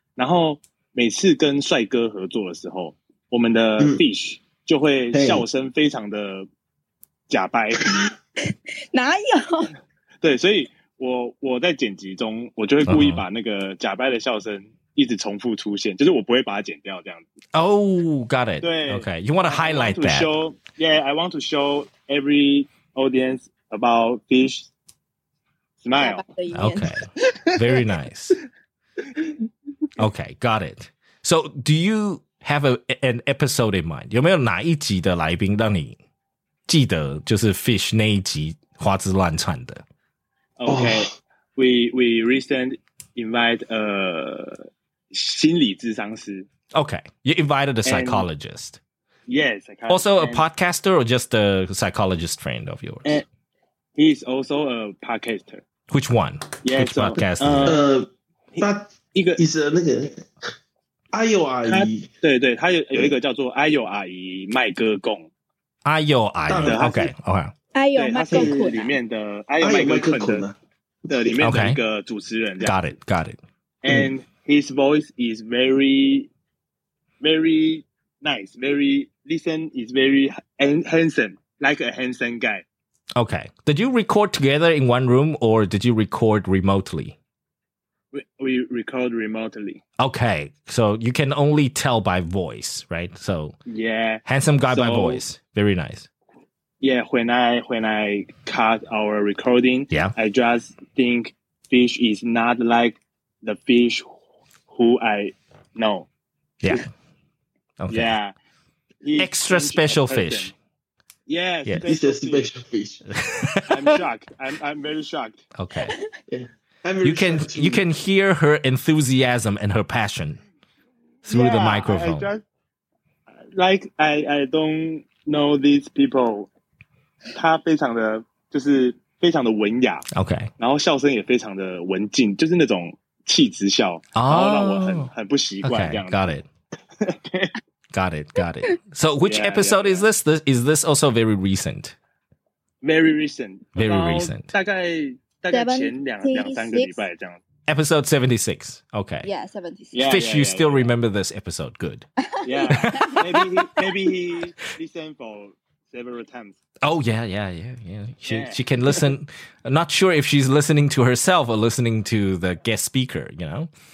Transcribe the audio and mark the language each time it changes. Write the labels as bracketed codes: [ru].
[zh] 然后每次跟帅哥合作的时候，我们的 fish 就会笑声非常的假掰。哪有？对，所以我在剪辑中，我就会故意把那个假掰的笑声一直重复出现， uh-huh. 就是我不会把它剪掉这样子。 [en] Oh, got it. [zh] 对 [en] ，Okay, you want to highlight that? Show, yeah, I want to show every audience about Fish smile. Okay, very nice. Okay, got it. So, do you have an episode in mind? [zh] 有没有哪一集的来宾让你记得就是 Fish 那一集花枝乱窜的？OK，、oh. [en] we recently invite a [zh] 心理咨商师。 [en] OK， you invited a psychologist. Yes, also a podcaster or just a psychologist friend of yours. He is also a podcaster. Which one? Yes, which podcaster? [zh] 一个是那个阿友阿姨。对对，他有一个叫做阿友阿姨麦哥共。阿友阿姨 ，OK，OK，阿友麦克坤里面的阿友麦克坤的里面的一个主持人 [en] ，Got it，Got it，And his voice is very，very nice, very listen is very handsome, like a handsome guy. Okay. Did you record together in one room or did you record remotely? We record remotely. Okay. So you can only tell by voice, right? So yeah. Handsome guy, so, by voice. Very nice. Yeah, when I cut our recording, yeah. I just think fish is not like the fish who I know. Yeah. Okay. Yeah. Extra special fish. Yes, yeah, it's a special fish. I'm shocked. I'm very shocked. Okay. You can hear her enthusiasm and her passion through the microphone. I don't know these people. [zh] 她非常的文雅。 [en] Okay. [zh] 然后笑声也非常的文静，就是那种气质笑，然后让我很不习惯这样。 [en] Okay, got it. Got it, got it. So which episode is this? Is this also very recent? Very recent. Very recent. [zh] 大概前两三个礼拜这样。 [en] Episode 76, okay. Yeah, 76. Fish, still remember this episode, good. Yeah, maybe he listened for several times. Oh, yeah. She can listen. Not sure if she's listening to herself or listening to the guest speaker, you know?